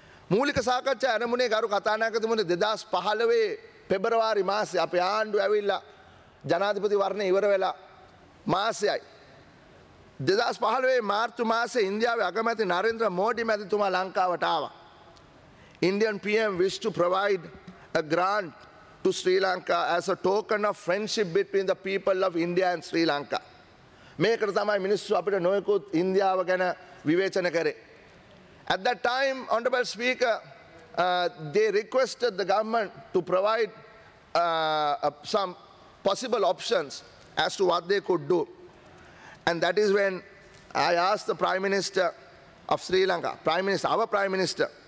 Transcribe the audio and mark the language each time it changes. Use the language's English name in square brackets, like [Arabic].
[Sinhala] මූලික සාකච්ඡා ආරම්භුනේ ගරු කතානායකතුමනි 2015 පෙබරවාරි මාසේ අපේ ආණ්ඩුව ඇවිල්ලා ජනාධිපති වර්ණය ඉවර වෙලා මාසෙයි 2015 මාර්තු මාසේ ඉන්දියාවේ අගමැති නරේන්ද්‍ර මෝඩි මැතිතුමා ලංකාවට ආවා. [English] Indian PM wished to provide a grant to Sri Lanka as a token of friendship between the people of India and Sri Lanka. [Sinhala] මේකට තමයි මිනිස්සු අපිට නොයෙකුත් ඉන්දියාව ගැන විවේචන කරේ. [English] At that time, Honorable Speaker, they requested the government to provide some possible options as to what they could do. And that is when I asked the Prime Minister of Sri Lanka, our Prime Minister,